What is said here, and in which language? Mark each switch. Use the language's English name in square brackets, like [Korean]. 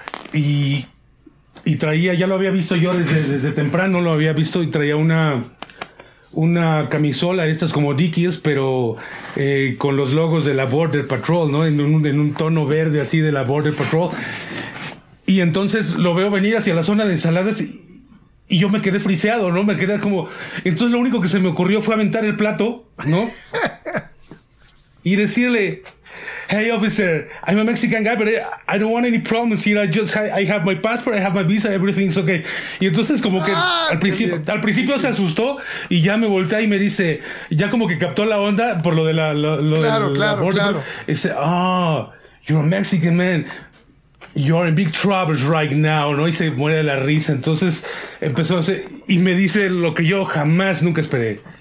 [Spanish] Y traía, ya lo había visto yo desde temprano, lo había visto, y traía una camisola, estas como Dickies, pero con los logos de la Border Patrol, ¿no? En un tono verde así de la Border Patrol. Y entonces lo veo venir hacia la zona de ensaladas Y yo me quedé friseado, ¿no? Me quedé como... Entonces lo único que se me ocurrió fue aventar el plato, ¿no? Y decirle... [English] Hey, officer, I'm a Mexican guy, but I don't want any problems. You know, I have my passport, I have my visa, everything's okay. [Spanish] Y entonces como que al principio se asustó y ya me voltea y me dice... Ya como que captó la onda por lo de la... Y dice, [English] oh, you're a Mexican man. You're in big troubles right now, [Spanish] ¿no? Y se muere la risa. Entonces empezó a hacer, y me dice lo que yo jamás nunca esperé.